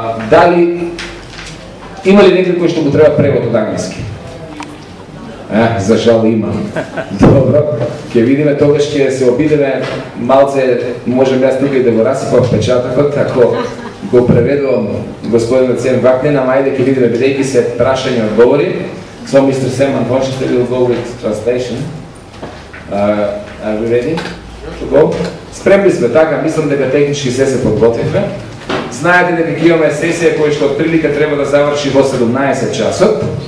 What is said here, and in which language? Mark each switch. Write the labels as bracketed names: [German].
[Macedonian] Дали има ли некој кој што му треба превод од англиски? За жал има. Добро, ќе видиме тогаш, ќе се обидеме малце, можем јас тука и да го расипам печатокот, ако го преведувам господинот Сем Вакнин, ама ајде ќе видиме, бидејќи се прашање одговори. [English] So, Mr. Sam, unfortunately, we'll go with translation. Are we ready? Go. [Macedonian] Спремли сме, така, мислам дека технички се подготвивме. Знаете дека имаме сесија која што отприлика треба да заврши во 17 часот.